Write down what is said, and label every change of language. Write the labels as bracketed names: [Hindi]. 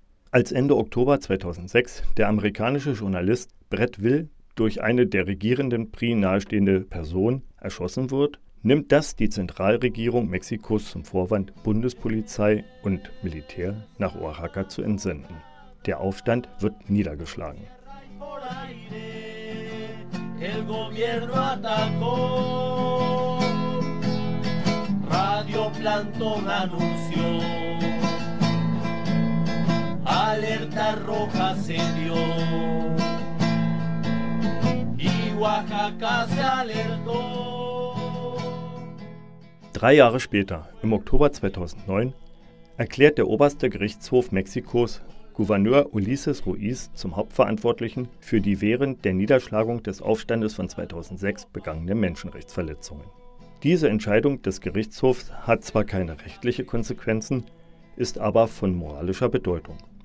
[German] Als Ende Oktober 2006 der amerikanische Journalist Brett Will durch eine der regierenden PRI nahestehende Person erschossen wird, nimmt das die Zentralregierung Mexikos zum Vorwand, Bundespolizei und Militär nach Oaxaca zu entsenden. Der Aufstand wird niedergeschlagen. [Spanish] El gobierno atacó, Radio Plantón anunció, alerta roja se dio, y Oaxaca se alertó. [German] Drei Jahre später, im Oktober 2009, erklärt der oberste Gerichtshof Mexikos Gouverneur Ulises Ruiz zum Hauptverantwortlichen für die während der Niederschlagung des Aufstandes von 2006 begangenen Menschenrechtsverletzungen. Diese Entscheidung des Gerichtshofs hat zwar keine rechtliche Konsequenzen, ist aber von moralischer Bedeutung.